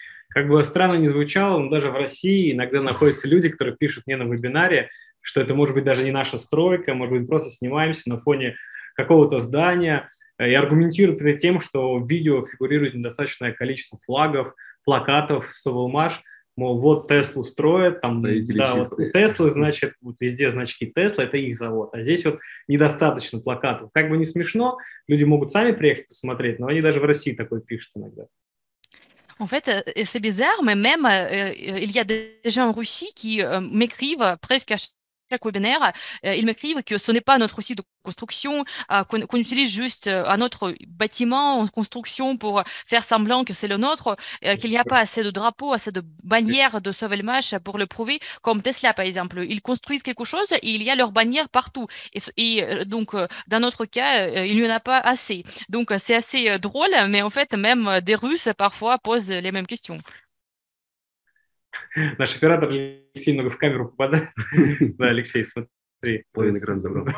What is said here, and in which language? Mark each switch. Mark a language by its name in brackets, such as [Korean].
[Russian] Как бы странно ни звучало, но даже в России иногда находятся люди, которые пишут мне на вебинаре, что это может быть даже не наша стройка, может быть, просто снимаемся на фоне какого-то здания и аргументируют это тем, что в видео фигурирует недостаточное количество флагов, плакатов с Увалмаш, мол, вот Теслу строят, там, Строители да, вот чистые. у Теслы, значит, вот везде значки Тесла, это их завод, а здесь вот недостаточно плакатов. Как бы не смешно, люди могут сами приехать посмотреть, но они даже в России такое пишут иногда. [French] En fait, c'est bizarre, mais même il y a des gens en Russie qui m'écrivent presque à chaque webinaire. Ils m'écrivent que ce n'est pas notre site de construction, qu'on utilise juste un autre bâtiment en construction pour faire semblant que c'est le nôtre, qu'il n'y a pas assez de drapeaux, assez de bannières de Sauvelmash pour le prouver, comme Tesla par exemple. Ils construisent quelque chose et il y a leur bannière partout. Et donc, dans notre cas, il n'y en a pas assez. Donc, c'est assez drôle, mais en fait, même des Russes parfois posent les mêmes questions. [Russian] Наш оператор Алексей много в камеру попадает. Да, Алексей, смотри. Половину экрана забрал.